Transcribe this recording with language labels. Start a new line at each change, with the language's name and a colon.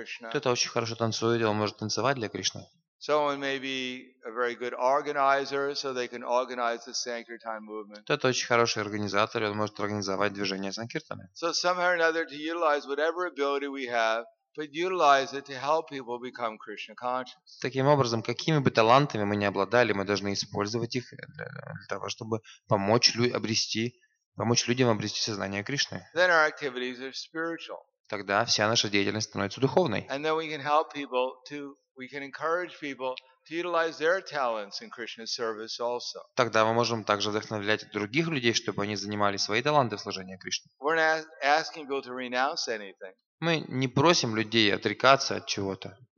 Russian: Кто-то очень хорошо танцует, и он может танцевать для Кришны. Кто-то очень хороший организатор, и он может организовать движение санкиртаны.
English: So somehow or another to utilize whatever ability we have, but utilize it to help people become Krishna conscious.
Russian: Таким образом, какими бы талантами мы ни обладали, мы должны использовать их для того, чтобы помочь людям обрести сознание Кришны.
English: Then our activities are spiritual.
Russian: Тогда вся наша деятельность становится духовной.
English: And then we can encourage people to utilize their talents in Krishna's service also.
Russian: Тогда мы можем также вдохновлять других людей, чтобы они занимали свои таланты в служении Кришне.
English: We're not asking people to renounce anything.
Russian: Мы не просим людей отрекаться от чего-то.